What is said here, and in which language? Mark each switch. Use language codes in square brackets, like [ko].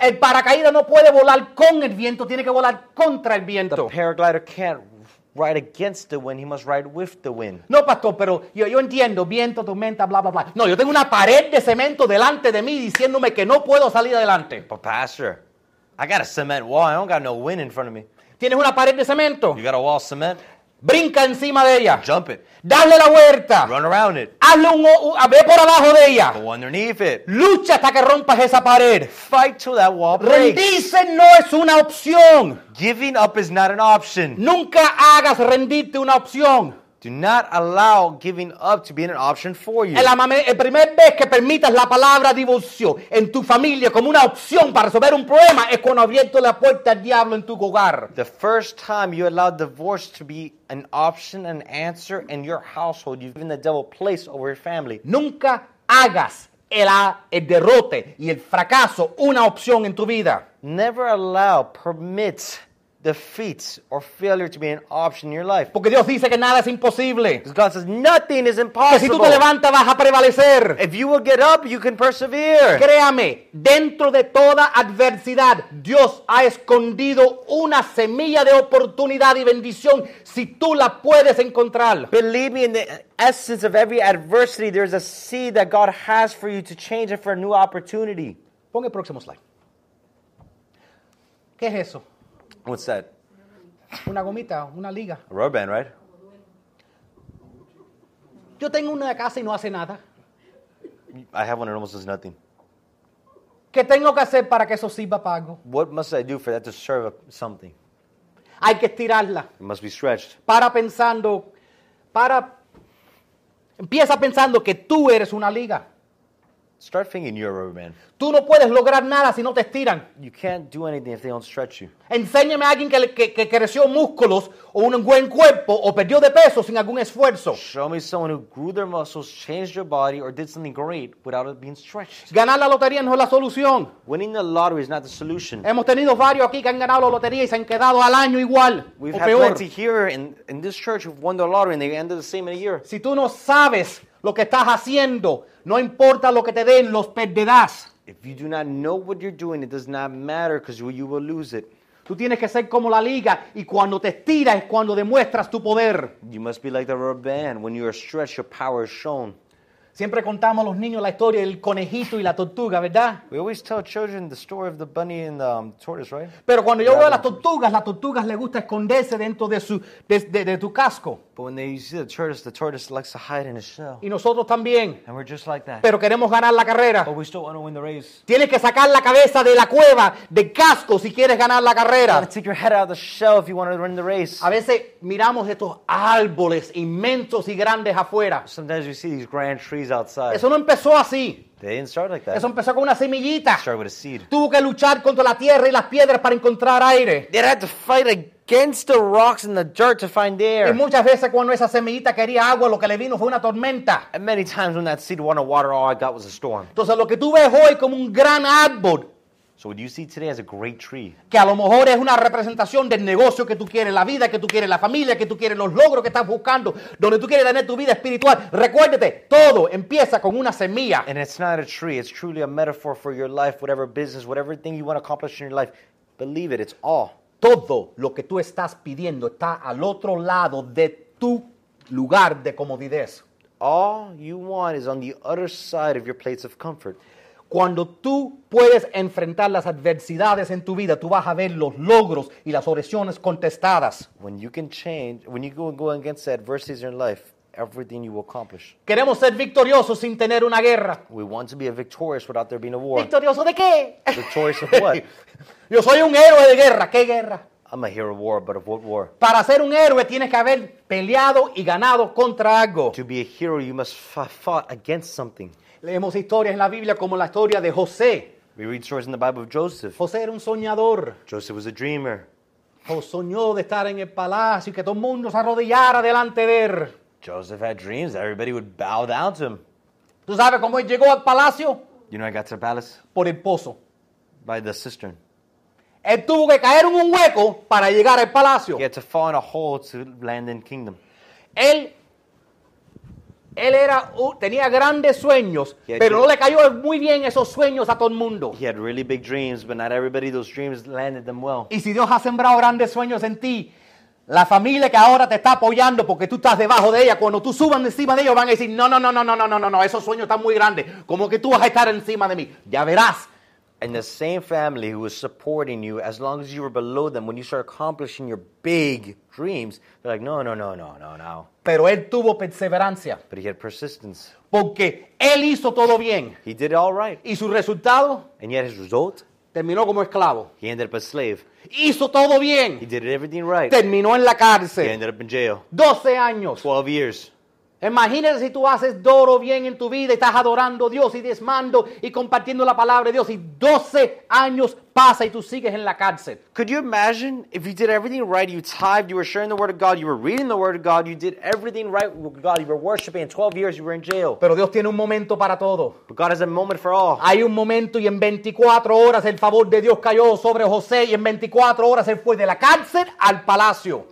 [es] El paracaídas no puede volar con el viento, tiene que volar contra el viento. [en] The paraglider can't ride against the wind, he must ride with the wind. [es] No, pastor, pero yo entiendo, viento, tormenta, bla, bla, bla. No, yo tengo una pared de cemento delante de mí diciéndome que no puedo salir adelante. [en] But pastor, I got a cement wall, I don't got no wind in front of me. [es] ¿Tienes una pared de cemento? [en] You got a wall of cement? [es] Brinca encima de ella. [en] Jump it. [es] Dale la vuelta. [en] Run around it. [es] Hazle a ver por abajo de ella. [en] Go underneath it. [es] Lucha hasta que rompas esa pared. [en] Fight till that wall breaks. [es] Rendirse no es una opción. [en] Giving up is not an option. [es] Nunca hagas rendirte una opción. [en] Do not allow giving up to be an option for you. [es] El primer vez que permitas la palabra divorcio en tu familia como una opción para resolver un problema es cuando abierto la puerta al diablo en tu hogar. [en] The first time you allow divorce to be an option, an answer in your household, you've given the devil place over your family. [es] Nunca hagas el derrote y el fracaso una opción en tu vida. [en] Never allow, permit defeats or failure to be an option in your life. [es] Porque Dios dice que nada es imposible. [en] Because God says nothing is impossible. [es] Que si tú te levantas, vas a prevalecer. [en] If you will get up, you can persevere. [es] Créame, dentro de toda adversidad, Dios ha escondido una semilla de oportunidad y bendición si tú la puedes encontrar. [en] Believe me, in the essence of every adversity, there is a seed that God has for you to change and for a new opportunity. [es] Ponga el próximo slide. ¿Qué es eso? [en] What's that? [es] Una gomita, una liga. [en] A rubber band, right? [es] Yo tengo una de casa y no hace nada. [en] I have one that almost does nothing. [es] ¿Qué tengo que hacer para que eso sirva para algo? [en] What must I do for that to serve something? [es] Hay que estirarla. [en] It must be stretched. [es] Empieza pensando que tú eres una liga. [en] Start thinking you're a rubber band. [es] Tú no puedes lograr nada si no te estiran. [en] You can't do anything if they don't stretch you. [es] Enséñame a alguien que creció músculos o un buen cuerpo o perdió de peso sin algún esfuerzo. [en] Show me someone who grew their muscles, changed their body, or did something great without it being stretched. [es] Ganar la lotería no es la solución. [en] Winning the lottery is not the solution. [es] Hemos tenido varios aquí que han ganado la lotería y se han quedado al año igual [en] We've [es] o peor. [en] We've had plenty here in this church who've won the lottery and they ended the same in a year. [es] Si tú no sabes lo que estás haciendo, no importa lo que te den, los perderás. [en] If you do not know what you're doing, it does not matter because you will lose it. [es] Tú tienes que ser como la liga y cuando te estiras es cuando demuestras tu poder. [en] You must be like the rubber band. When you are stretched, your power is shown. [es] Siempre contamos a los niños la historia del conejito y la tortuga, ¿verdad? [en] We always tell children the story of the bunny and the tortoise, right? [es] Pero cuando yo veo las tortugas les gusta esconderse dentro de su casco. [en] But when you see the tortoise likes to hide in his shell. [es] Y nosotros también. [en] And we're just like that. [es] Pero queremos ganar la carrera. [en] But we still want to win the race. [es] Tienes que sacar la cabeza de la cueva, del casco, si quieres ganar la carrera. [en] You gotta take your head out of the shell if you want to win the race. [es] A veces miramos estos árboles inmensos y grandes afuera. [en] Sometimes we see these grand trees. Outside. [es] Eso no empezó así. [en] They didn't start like that. [es] Eso empezó con una semillita. [en] Started with a seed. [es] Tuvo que luchar contra la tierra y las piedras para encontrar aire. [en] They had to fight against the rocks and the dirt to find air. [es] Y muchas veces cuando esa semillita quería agua, lo que le vino fue una tormenta. [en] And many times when that seed wanted water, all I got was a storm. [es] Entonces lo que tú ves hoy como un gran árbol. [en] So what you see today as a great tree. [es] Que a lo mejor es una representación del negocio que tú quieres, la vida que tú quieres, la familia que tú quieres, los logros que estás buscando, donde tú quieres tener tu vida espiritual. Recuérdate, todo empieza con una semilla. [en] And it's not a tree. It's truly a metaphor for your life, whatever business, whatever thing you want to accomplish in your life. Believe it, it's all. [es] Todo lo que tú estás pidiendo está al otro lado de tu lugar de comodidad. [en] All you want is on the other side of your place of comfort. [es] Cuando tú puedes enfrentar las adversidades en tu vida, tú vas a ver los logros y las oraciones contestadas. [en] When you can change, when you go against the adversities in life, everything you will accomplish. [es] Queremos ser victoriosos sin tener una guerra. [en] We want to be victorious without there being a war. [es] ¿Victorioso de qué? [en] Victorious of what? [es] Yo soy un héroe de guerra. ¿Qué guerra? [en] I'm a hero of war, but of what war? [es] Para ser un héroe tienes que haber peleado y ganado contra algo. [en] To be a hero, you must have fought against something. [es] Leemos historias en la Biblia como la historia de José. [en] We read stories in the Bible of Joseph. [es] José era un soñador. [en] Joseph was a dreamer. [es] soñó de estar en el palacio y que todo el mundo se arrodillara delante de él. [en] Joseph had dreams that everybody would bow down to him. [es] ¿Tú sabes cómo él llegó al palacio? [en] You know how he got to the palace? [es] Por el pozo. [en] By the cistern. [es] Él tuvo que caer en un hueco para llegar al palacio. [en] He had to fall in a hole to land in kingdom. [es] Él era, tenía grandes sueños, pero no le cayó muy bien esos sueños a todo el mundo. [en] He had really big dreams, but not everybody those dreams landed them well. [es] Y si Dios ha sembrado grandes sueños en ti, la familia que ahora te está apoyando porque tú estás debajo de ella, cuando tú subas encima de ellos van a decir, no, no, no, no, no, no, no, no, no, esos sueños están muy grandes. ¿Cómo que tú vas a estar encima de mí? Ya verás. [en] And the same family who was supporting you, as long as you were below them, when you start accomplishing your big dreams, they're like, no, no, no, no, no, no. [es] Pero él tuvo perseverancia. [en] But he had persistence. [es] Porque él hizo todo bien. [en] He did it all right. [es] Y su resultado. [en] And yet his result. [es] Terminó como esclavo. [en] He ended up a slave. [es] Hizo todo bien. [en] He did everything right. [es] Terminó en la cárcel. [en] He ended up in jail. [es] 12 años. [en] 12 years. [es] Imagínate si tú haces todo bien en tu vida y estás adorando a Dios y diezmando y compartiendo la palabra de Dios y 12 años pasa y tú sigues en la cárcel. [en] Could you imagine if you did everything right, you tithed, you were sharing the word of God, you were reading the word of God, you did everything right with God, you were worshiping, and 12 years you were in jail. [es] Pero Dios tiene un momento para todo. [en] But God has a moment for all. [es] Hay un momento y en 24 horas el favor de Dios cayó sobre José y en 24 horas él fue de la cárcel al palacio.